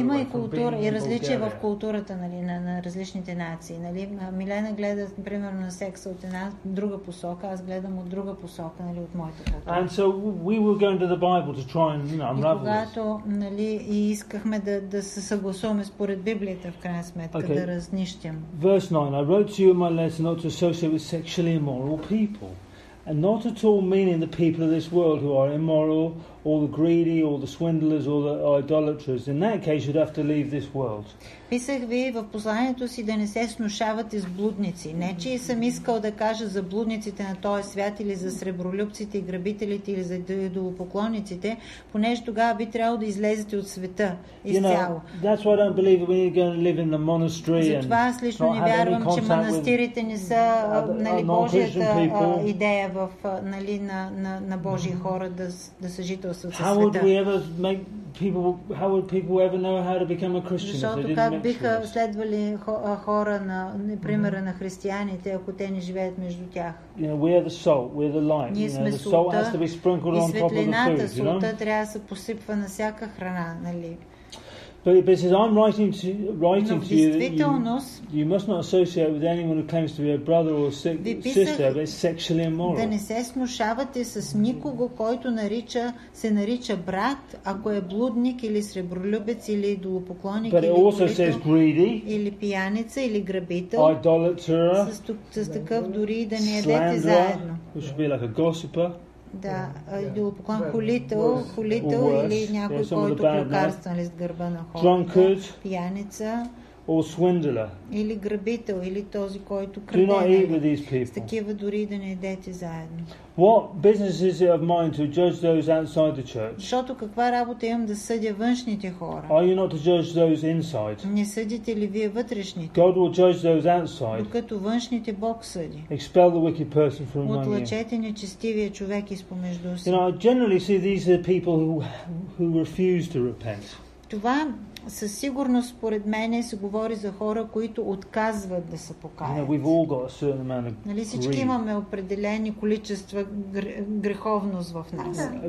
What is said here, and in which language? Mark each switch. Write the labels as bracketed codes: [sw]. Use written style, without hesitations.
[bg] Има и култура и различия в културата, нали, на различните нации, нали? Милена гледа примерно на секса от една друга посока, аз гледам от друга посока, нали, от моята култура. [en] And so we were going to the Bible to try and, you know, unravel this. [bg] И когато, нали, и искахме да се съгласуваме според Библията в крайна сметка, [en] okay, [bg] да разнищим. [en] Verse 9. I wrote to you in my letter not to associate with sexually immoral people. And not at all meaning the people of this world who are immoral, or the greedy, or the swindlers, or the idolaters. In that case, you'd have to leave this world. [bg] Писах ви в посланието си да не се снушавате с блудници. Не, че и съм искал да кажа за блудниците на този свят, или за сребролюбците и грабителите, или за идолопоклонниците, понеже тогава би трябвало да излезете от света изцяло. Затова аз лично не вярвам, че манастирите не са, нали, Божията идея в, нали, на Божия хора да съжителстват със света. [en] How would people ever know how to become a Christian? [bg] Защото как биха следвали хора на примера на християните, ако те не живеят между тях? [en] You know, we are the salt, we are the light. You know, the salt has to be sprinkled on top of the food. [bg] Светлината, [en] you know? [bg] Солта трябва да се посипва на всяка храна, нали? [en] But says, I'm writing to you that you must not associate with anyone who claims to be a brother or sister, but is sexually immoral. [bg] Да не се смушавате с никого, който се нарича брат, ако е блудник или сребролюбец или идолопоклонник, [en] but [bg] или [en] also [bg] курител, [en] says greedy, [bg] или пияница или грабител, [en] idolater, [bg] с такъв дори да не ядете заедно, [en] which would be like a gossiper. [bg] Да, идолопоклон, холител или някой, [en] yeah, [bg] който клюкарства, нали, с гърба на хората. [en] Drunkard, [bg] пияница. [en] Or swindler. [bg] Или грабител, или този, който краде. С такива дори да не едете заедно. [en] What business is it of mine to judge those outside the church? [bg] Защото каква работа имам да съдя външните хора? [en] Are you not to judge those inside? [bg] Не съдите ли вие вътрешните? [en] God will judge those outside. [bg] Докато външните Бог съди. [en] Expel the wicked person from among you. [bg] Отлъчете нечестивия човек изпомежду си. [en] You know, I generally see these are people who refuse to repent. [bg] Това със сигурност според мен се говори за хора, които отказват да се покаят. Нали, всички имаме определени количества греховност в нас.